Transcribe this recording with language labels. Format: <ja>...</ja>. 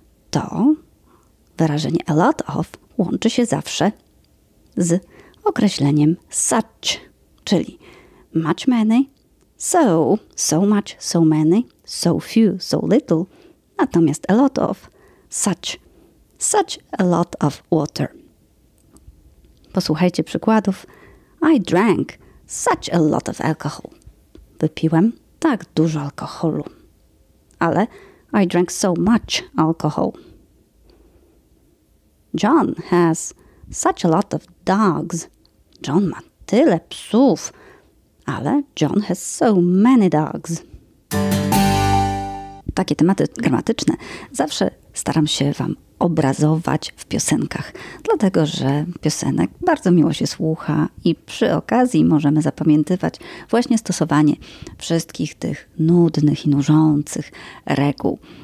<pl>To wyrażenie a lot of łączy się zawsze z określeniem such, czyli much many, so, so much, so many, so few, so little, natomiast a lot of, such,</pl> <en>such a lot of water.</en> <pl>Posłuchajcie przykładów.</pl> <en>I drank such a lot of alcohol.</en> <pl>Wypiłem tak dużo alkoholu. Ale</pl> <en>I drank so much alcohol. John has such a lot of dogs.</en> <pl>John ma tyle psów.</pl> <en>Ale John has so many dogs.</en> <pl>Takie tematy gramatyczne zawsze staram się wam obrazować w piosenkach. Dlatego, że piosenek bardzo miło się słucha i przy okazji możemy zapamiętywać właśnie stosowanie wszystkich tych nudnych i nużących reguł.</pl>